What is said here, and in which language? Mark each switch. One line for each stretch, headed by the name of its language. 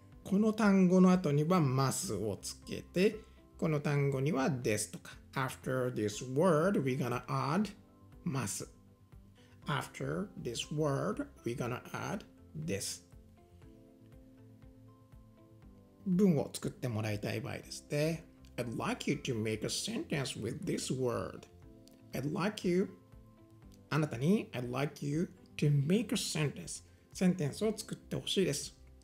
Japanese: この単語の後にはますをつけて、この単語にはですとか、
English: After this word, we're gonna add
Japanese: ます。
English: After this word, we're gonna add this.
Japanese: 文を作ってもらいたい場合ですね。
English: I'd like you to make a sentence with this word. I'd like you,
Japanese: あなたに、
English: I'd like you to make a sentence.
Japanese: センテンスを作ってほしいです。